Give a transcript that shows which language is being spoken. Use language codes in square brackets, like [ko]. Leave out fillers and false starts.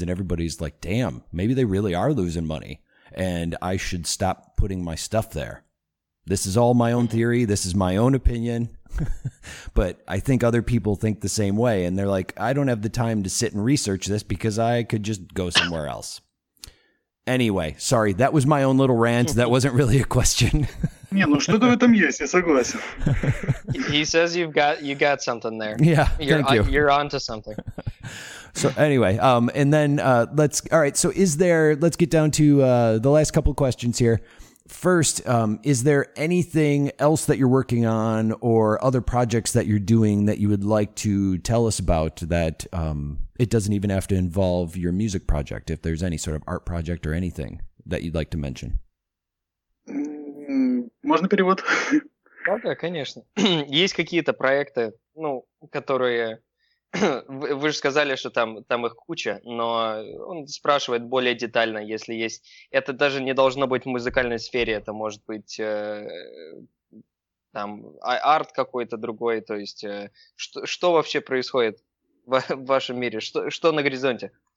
[en] And everybody's like, damn, maybe they really are losing money and I should stop putting my stuff there. This is all my own theory. This is my own opinion. But I think other people think the same way. And they're like, I don't have the time to sit and research this because I could just go somewhere else. Anyway, sorry. That was my own little rant. That wasn't really a question. [ru] Не, ну что-то в этом есть, я согласен. [en] He says you got something there. Yeah, thank you. You're on to something. So anyway, and then let's... All right, so is there... Let's get down to the last couple of questions here. First, is there anything else that you're working on or other projects that you're doing that you would like to tell us about that it doesn't even have to involve your music project, if there's any sort of art project or anything that you'd like to mention? [ru] Можно перевод? Да, конечно. Есть какие-то проекты, ну, которые... Вы же сказали, что там их куча, но он спрашивает более детально, если есть. Это даже не должно быть в музыкальной сфере, это может быть там арт какой-то другой, то есть что вообще происходит в вашем мире, что на горизонте?